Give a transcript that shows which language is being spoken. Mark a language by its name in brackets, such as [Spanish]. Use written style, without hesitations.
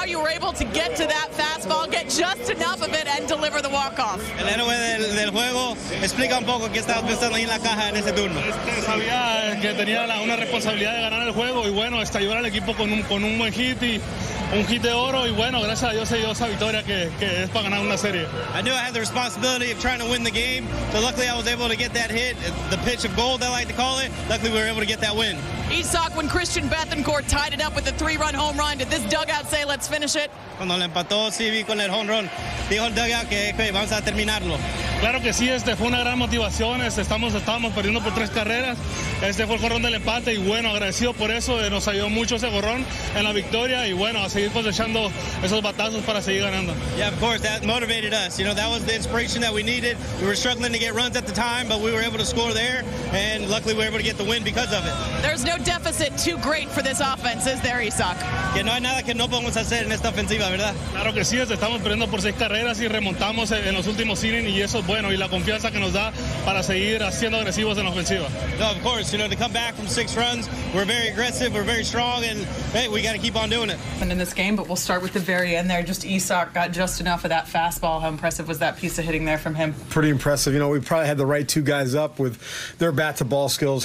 [English] able to get to that fastball, get just enough of it, and deliver the walk-off. [Spanish] El héroe del juego, explica un poco qué estabas pensando ahí en la caja en ese turno. Sabía que tenía una responsabilidad de ganar el juego, y bueno, hasta ayudar al equipo con un buen hit y un hit de oro, y bueno, gracias a Dios se dio esa victoria que es para ganar una serie. [English] I knew I had the responsibility of trying to win the game, so luckily I was able to get that hit, the pitch of gold, I like to call it. Luckily we were able to get that win. Isak, when Christian Bethancourt tied it up with a 3-run home run, did this dugout say, let's finish it? [Spanish] Cuando le empató, sí, vi con el home run. Dijo el dugout que vamos a terminarlo. Claro que sí, fue una gran motivación. Estábamos perdiendo por 3 carreras. Fue el jorrón del empate y bueno, agradecido por eso. Nos ayudó mucho ese jorrón en la victoria y bueno, a seguir cosechando esos batazos para seguir ganando. [English] Yeah, of course, that motivated us. You know, that was the inspiration that we needed. We were struggling to get runs at the time, but we were able to score there and luckily we were able to get the win because of it. There's no deficit too great for this offense, is there, Isak? [Spanish] Que no hay nada que no podemos hacer en esta ofensiva, ¿verdad? Claro que sí, estamos perdiendo por 6 carreras y remontamos en los últimos innings y eso bueno, y la confianza que nos da para seguir haciendo agresivos en ofensiva. [English] No, of course, you know, to come back from 6 runs, we're very aggressive, we're very strong, and hey, we got to keep on doing it. And in this game, but we'll start with the very end there. Just Isak got just enough of that fastball. How impressive was that piece of hitting there from him? Pretty impressive. You know, we probably had the right 2 guys up with their bat-to-ball skills.